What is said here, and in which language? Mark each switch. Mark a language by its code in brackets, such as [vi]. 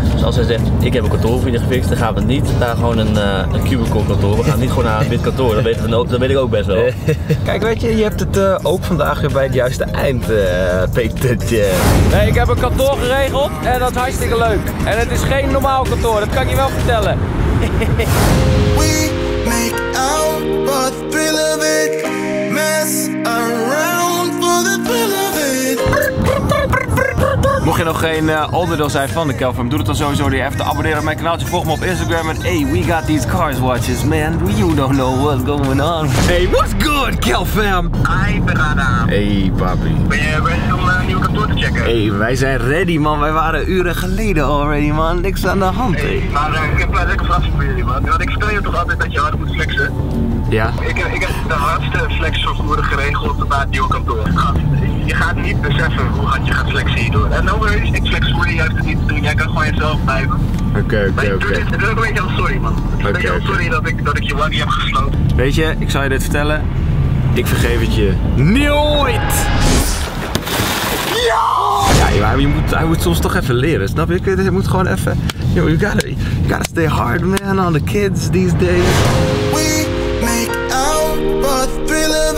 [nl] Dus als hij zegt, ik heb een kantoor voor je gefixt, dan gaan we niet naar gewoon een cubicle kantoor. We gaan niet gewoon naar een wit kantoor, dat weet ik ook best wel. Kijk, weet je, je hebt het ook vandaag weer bij het juiste eind, Petertje. Nee, ik heb een kantoor geregeld en dat is hartstikke leuk. En het is geen normaal kantoor, dat kan ik je wel vertellen. [en] We make out for the thrill of it, mess around for the thrill of it. [nl] Mocht je nog geen onderdeel zijn van de Kelfam, doe het dan sowieso door even te abonneren op mijn kanaaltje. Volg me op Instagram en hey, [en] we got these cars watches, man. You don't know what's going on. Hey, what's good, Kelfam? Hi, Berada. Hey, papi. [nl] Ben je ready om een nieuw kantoor te checken? Hey, wij zijn ready, man. Wij waren uren geleden already, man. Niks aan de hand, hey. Maar ik heb een lekker verrassing voor jullie, man. Want ik speel je toch altijd dat je hard moet flexen? Ja. Ik heb de hardste flexvervoer geregeld op het nieuwe kantoor. Je gaat niet beseffen hoe hard je gaat flexen hierdoor. En [en] no worries, [nl] ik flex voor je juist niet te doen. Jij kan gewoon jezelf blijven. Oké. Ik ben ook een beetje al sorry, man. Ik ben heel sorry dat ik je wangie heb gesloten. Weet je, ik zal je dit vertellen. Ik vergeef het je nooit! Ja, hij moet soms toch even leren, snap je? Hij moet gewoon even... [en] Yo, you gotta stay hard, man, on the kids these days. We make out for the thrill of